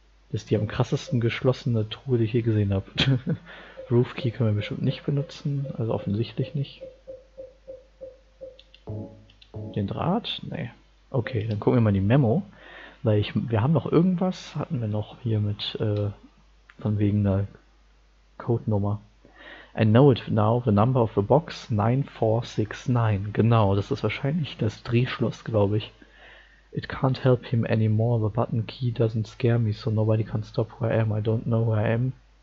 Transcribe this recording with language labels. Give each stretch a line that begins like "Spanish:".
German: Das ist die am krassesten geschlossene Truhe, die ich je gesehen habe. Roof Key können wir bestimmt nicht benutzen, also offensichtlich nicht. Den Draht? Nee. Okay, dann gucken wir mal die Memo. Wir haben noch irgendwas, hatten wir noch hier mit von wegen der Codenummer.
English: I know it now, the number of the box 9469.
German: Genau, das ist wahrscheinlich das Drehschloss, glaube ich.
English: It can't help him anymore, the button key doesn't scare me, so nobody can stop who I am. I don't know who I am.